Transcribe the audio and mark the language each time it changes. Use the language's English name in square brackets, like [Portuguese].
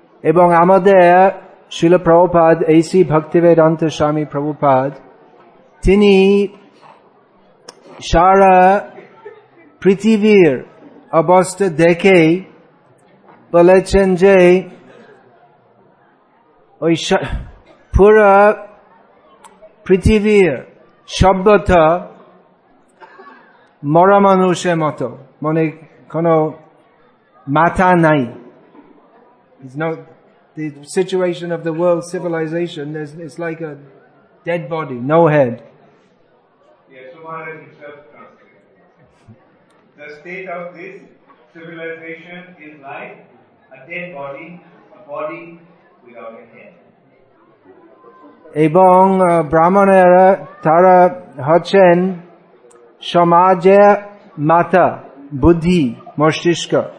[Bangla] এবং আমাদের শিল প্রভুপাদ এই সি ভক্তিবেদান্ত স্বামী প্রভুপাদ তিনি সারা পৃথিবীর অবস্থা দেখে বলেছেন যে ওই পুরো পৃথিবীর সভ্যতা মরা মানুষের মতো, মানে কোনো মাথা নাই। [English] The situation of the world civilization, it's like a dead body, no head. Yes, so Maharaj himself translated. The state of this civilization is like a dead body, a body without a head. [Bangla] এবং ব্রাহ্মণেরা তারা হচ্ছেন সমাজের মাথা, বুদ্ধি, মস্তিষ্ক।